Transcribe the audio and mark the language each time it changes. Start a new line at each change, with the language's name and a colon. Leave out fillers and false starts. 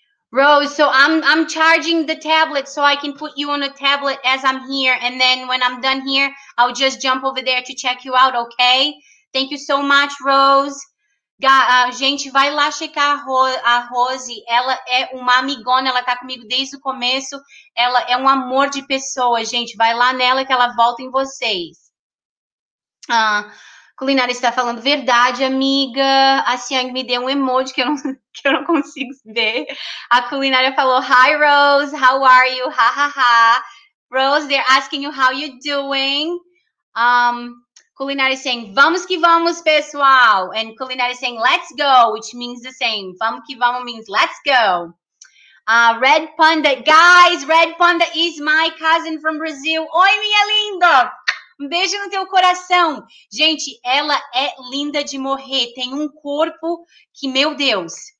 English: Rose, so I'm charging the tablet so I can put you on a tablet as I'm here. And then when I'm done here, I'll just jump over there to check you out, okay? Thank you so much, Rose.
Portuguese: Gente, vai lá checar a Rose. Ela é uma amigona, ela tá comigo desde o começo. Ela é um amor de pessoa, gente. Vai lá nela que ela volta em vocês. Culinária está falando verdade, amiga. A Siang me deu um emoji que eu não consigo ver. A culinária falou,
English: hi, Rose, how are you? Ha, ha, ha. Rose, they're asking you how you're doing.
Portuguese: Culinária saying, vamos que vamos, pessoal.
English: And culinária saying, let's go, which means the same.
Portuguese: Vamos que vamos
English: means let's go. Red Panda, guys, Red Panda is my cousin from Brazil.
Portuguese: Oi, minha linda. Um beijo no teu coração. Gente, ela é linda de morrer. Tem um corpo que, meu Deus.